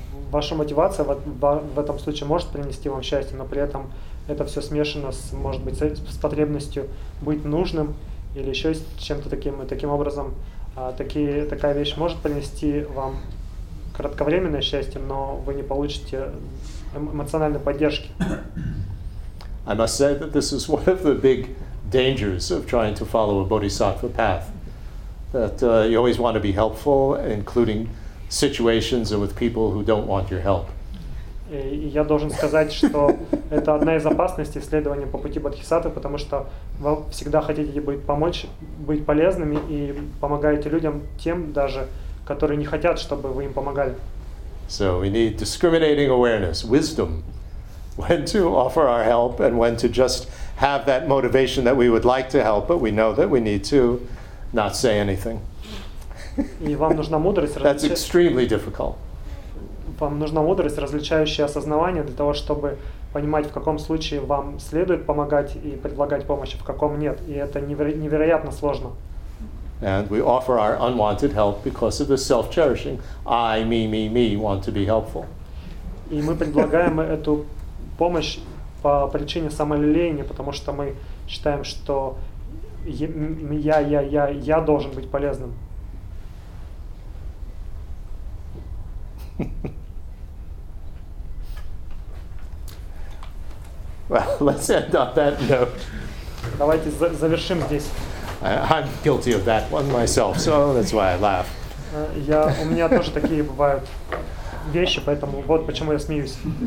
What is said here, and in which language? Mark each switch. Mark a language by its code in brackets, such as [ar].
[ru] Ваша мотивация в этом случае может принести вам счастье, но при этом это все смешано с, может быть, с потребностью быть нужным или еще с чем-то таким. И таким образом, такая вещь может принести вам кратковременное счастье, но вы не получите эмоциональной поддержки. [en] I must say that this is one of the big dangers of trying to follow a bodhisattva path. That you always want to be helpful, including situations and with people who don't want your help. [ru] Я должен сказать, что это одна из опасностей следования по пути бодхисаттвы, потому что вы всегда хотите быть помочь, быть полезными и помогаете людям тем даже, которые не хотят, чтобы вы им помогали. [en] So we need discriminating awareness, wisdom, when to offer our help and when to just have that motivation that we would like to help, but we know that we need to not say anything. [ru] И вам нужна мудрость. [en] That's extremely difficult. [ru] Вам нужна мудрость, различающая осознавание для того, чтобы понимать, в каком случае вам следует помогать и предлагать помощь, в каком нет. И это невероятно сложно. [en] And we offer our unwanted help because of the self-cherishing I, me, me, me want to be helpful. [ru] И мы предлагаем эту помощь по причине самолюбования, потому что мы считаем, что я должен быть полезным. [en] Well, let's end on that note. [ru] Давайте завершим здесь. [en] I'm guilty of that one myself, so that's why I laugh. [ru] У меня тоже такие бывают вещи, поэтому вот почему я смеюсь.